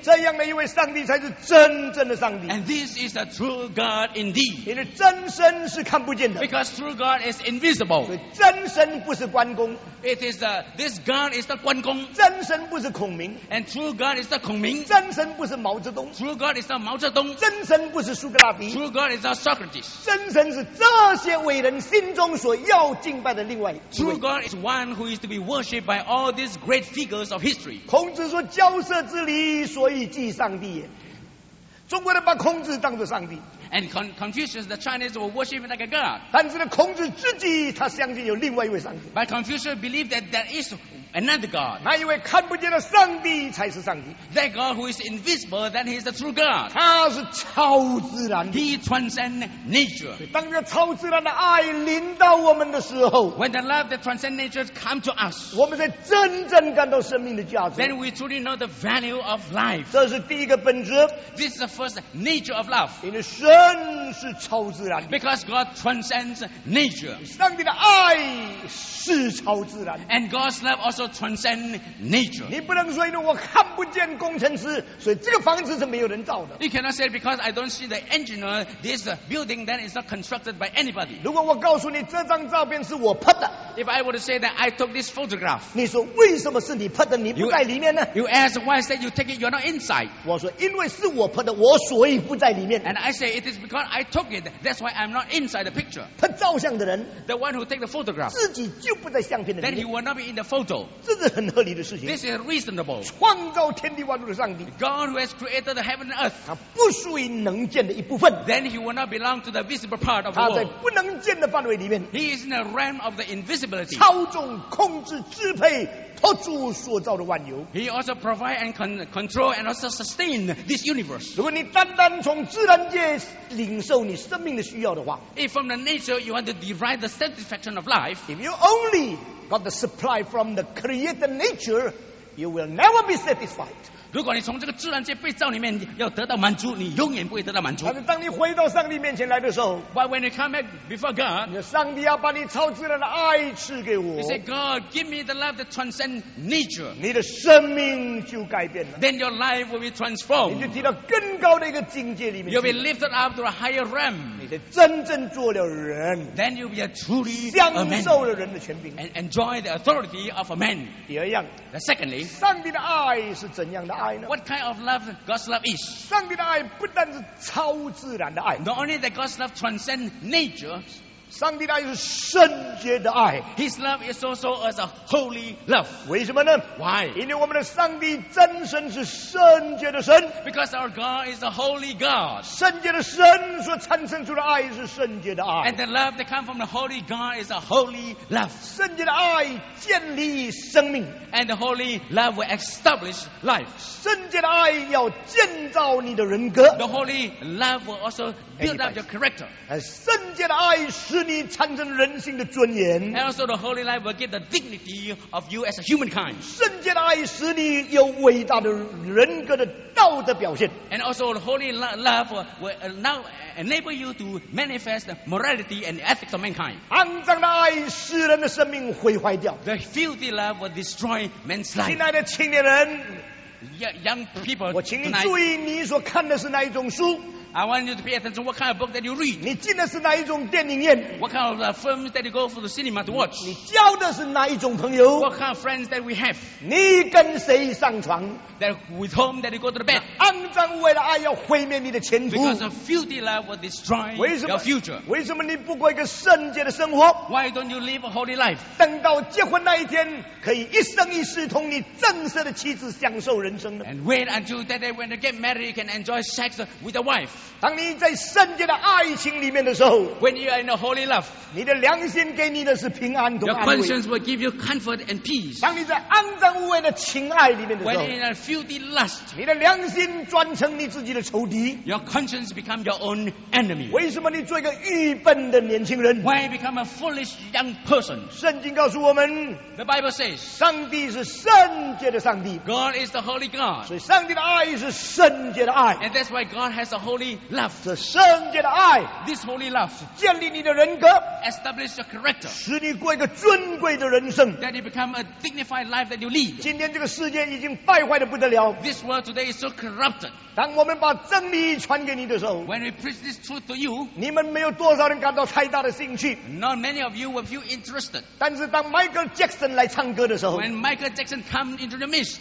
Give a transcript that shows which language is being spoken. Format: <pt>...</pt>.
<zh>这样的一位上帝才是真正的上帝。</zh> <en>And this is the true God indeed.</en> <zh>因为真神是看不见的。</zh> <en>Because true God is invisible.</en> <zh>真神不是关公。</zh> <en>It is the, this God is not 关公。</en> <zh>真神不是孔明。</zh> <en>And true God is not 孔明。</en> <zh>真神不是毛泽东。</zh> <en>True God is not 毛泽东。</en> <zh>真神不是苏格拉底。</zh> <en>True God is not Socrates.</en> <zh>真神是这些伟人心中所要敬拜的另外一位。</zh> <en>True God is one who is to be worshipped by all these great figures of history.</en> <zh>孔子说交涉之礼，所以祭上帝。中国人把孔子当作上帝。</zh> <en>And Confucius, the Chinese, will worship him like a god.</en> <zh>但是呢，孔子自己他相信有另外一位上帝。</zh> <en>But Confucius believed that there is another God.</en> <zh>那一位看不见的上帝才是上帝。</zh> <en>That God who is invisible, then he is the true God.</en> <zh>他是超自然的。</zh> <en>He transcends nature.</en> <zh>当这超自然的爱临到我们的时候</zh> <en>，When the love that transcends nature comes to us，</en> <zh>我们才真正感到生命的价值。</zh> <en>Then we truly know the value of life.</en> <zh>这是第一个本质。</zh> <en>This is the first nature of love.</en> <zh>因为神是超自然的。</zh> <en>Because God transcends nature.</en> <zh>上帝的爱是超自然的。</zh> <en>And God's love also transcends nature.</en> <zh>你不能说因为我看不见工程师，所以这个房子是没有人造的。</zh> <en>You cannot say because I don't see the engineer, this building then is not constructed by anybody.</en> <zh>如果我告诉你这张照片是我拍的。</zh> <en>If I were to say that I took this photograph,</en> <zh>你说为什么是你拍的？你不在里面呢</zh> <en>？You ask why is that you take it? You're not inside.</en> <zh>我说因为是我拍的，我所以不在里面。</zh> <en>And I say it is because I took it. That's why I'm not inside the picture.</en> <zh>拍照相的人</zh> <en>，the one who take the photograph，</en> <zh>自己就不在相片的里面。</zh> <en>Then he will not be in the photo.</en> <zh>这是很合理的事情。</zh> <en>This is reasonable.</en> <zh>创造天地万物的上帝</zh> <en>，God who has created the heaven and earth，</en> <zh>他不属于能见的一部分。</zh> <en>Then he will not belong to the visible part of the world.</en> <zh>他在不能见的范围里面。</zh> <en>He is in the realm of the invisible.</en> <zh>操纵、控制、支配，托主所造的万有。</zh> <en>He also provide and control and also sustain this universe.</en> <zh>如果你单单从自然界领受你生命的需要的话</zh> <en>，If from the nature you want to derive the satisfaction of life, if you only got the supply from the created nature, you will never be satisfied.</en> <zh>如果你从这个自然界被造里面要得到满足，你永远不会得到满足。但是当你回到上帝面前来的时候</zh> <en>，But when you come back before God，</en> <zh>上帝要把你超自然的爱赐给我。</zh> <en>You say, God, give me the love that transcends nature。</en> <zh>你的生命就改变了。</zh> <en>Then your life will be transformed。</en> <zh>你就提到更高的一个境界里面。</zh> <en>You'll be lifted up to a higher realm。</en> <zh>你是真正做了人。</zh> <en>Then you'll be a truly a man。</en> <zh>享受了人的权柄。</zh> <en>And enjoy the authority of a man。</en> <zh>第二样。</zh> <en>The secondly，</en> <zh>上帝的爱是怎样的？</zh> <en>What kind of love God's love is?</en> <zh>上帝的爱不但是超自然的爱。</zh> <en>Not only that God's love transcends nature.</en> <zh>上帝的爱是圣洁的爱。</zh> <en>His love is also as a holy love.</en> <zh>为什么呢</zh> <en>？Why?</en> <zh>因为我们的上帝真神是圣洁的神。</zh> <en>Because our God is a holy God.</en> <zh>圣洁的神所产生出的爱是圣洁的爱。</zh> <en>And the love that comes from the holy God is a holy love.</en> <zh>圣洁的爱建立生命。</zh> <en>And the holy love will establish life.</en> <zh>圣洁的爱要建造你的人格。</zh> <en>The holy love will also build up your character.</en> <zh>圣洁的爱使你产生人性的尊严。</zh> <en>And also the holy love will give the dignity of you as a humankind.</en> <zh>圣洁的爱使你有伟大的人格的道德表现。</zh> <en>And also the holy love will now enable you to manifest the morality and ethics of mankind.</en> <zh>肮脏的爱使人的生命毁坏掉。</zh> <en>The filthy love will destroy. Man's life.</en> <zh>亲爱的青年人</zh> <en>，Young people，</en> <zh>我请你注意，你所看的是哪一种书</zh> <en>？I want you to pay attention. What kind of book that you read？</en> <zh>你进的是哪一种电影院</zh> <en>？What kind of films that you go for the cinema to watch？</en> <zh>你交的是哪一种朋友</zh> <en>？What kind of friends that we have？</en> <zh>你跟谁上床</zh> <en>？That with whom that you go to the bed？</en> <zh>肮脏为了爱要毁灭你的前途</zh> <en>，Because a filthy life will destroy your future。</en> <zh>为什么你不过一个圣洁的生活</zh> <en>？Why don't you live a holy life？</en> <zh>等到结婚那一天。可以一生一世同你正式的妻子享受人生的。</zh> <en>And wait until that day when you get married, you can enjoy sex with your wife.</en> <zh>当你在圣洁的爱情里面的时候</zh> <en>，When you are in a holy love,</en> <zh>你的良心给你的是平安和安慰。</zh> <en>Your conscience will give you comfort and peace.</en> <zh>当你在肮脏污秽的情爱里面的时候</zh> <en>，When you are in a filthy lust,</en> <zh>你的良心转成你自己的仇敌。</zh> <en>Your conscience become your own enemy.</en> <zh>为什么你做一个愚笨的年轻人</zh> <en>？Why become a foolish young person?</en> <zh>圣经告诉我们</zh> <en>，The Bible says.</en> <zh>上帝是圣洁的上帝</zh> <en>God is the holy God</en> <zh>所以上帝的爱是圣洁的爱</zh> <en>And that's why God has a holy love</en> <zh>是圣洁的爱</zh> <en>This holy love</en> <zh>是建立你的人格</zh> <en>Establish your character</en> <zh>使你过一个尊贵的人生</zh> <en>That you become a dignified life that you lead</en> <zh>今天这个世界已经败坏得不得了</zh> <en>This world today is so corrupted</en> <zh>当我们把真理传给你的时候</zh> <en>When we preach this truth to you</en> <zh>你们没有多少人感到太大的兴趣</zh> <en>Not many of you will feel interested</en> <zh>但是当 Michael Jackson 来唱歌</zh> <en>When Michael Jackson came into the midst,</en>